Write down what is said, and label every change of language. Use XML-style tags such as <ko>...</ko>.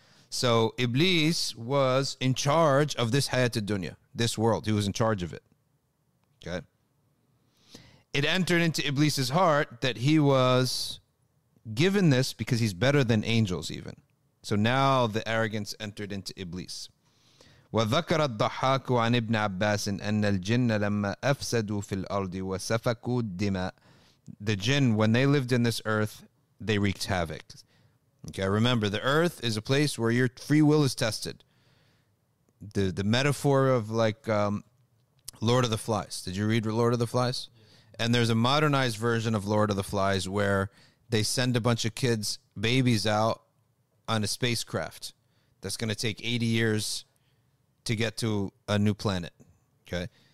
<en>So Iblis was in charge of this hayat al-dunya, this world. He was in charge of it. Okay. It entered into Iblis's heart that he was given this because he's better than angels even. So now the arrogance entered into Iblis.</en> <ar>وذكر الضحاك عن ابن عباس أن الجن لما أفسدوا في الأرض وسفكوا الدماء.</ar> <en>The jinn, when they lived in this earth, they wreaked havoc. Okay, remember, the earth is a place where your free will is tested. The metaphor of like Lord of the Flies. Did you read Lord of the Flies? Yeah. And there's a modernized version of Lord of the Flies where they send a bunch of kids, babies out on a spacecraft that's going to take 80 years to get to a new planet, okay?</en>